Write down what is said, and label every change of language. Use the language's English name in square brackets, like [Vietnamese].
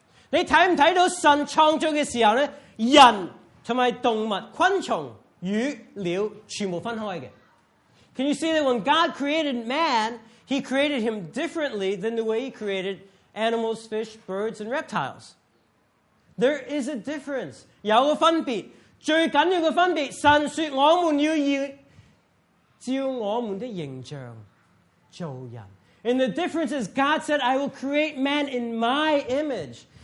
[Cantonese] 你看不看到神創造的時候,人和動物,昆蟲,魚,鳥,全部分開的。 [English] Can you see that when God created man, he created him differently than the way he created animals, fish, birds, and reptiles. There is a difference. [Cantonese] 有個分別,最重要的分別,神說我們要照我們的形象做人。 [English] And the difference is God said, I will create man in my image.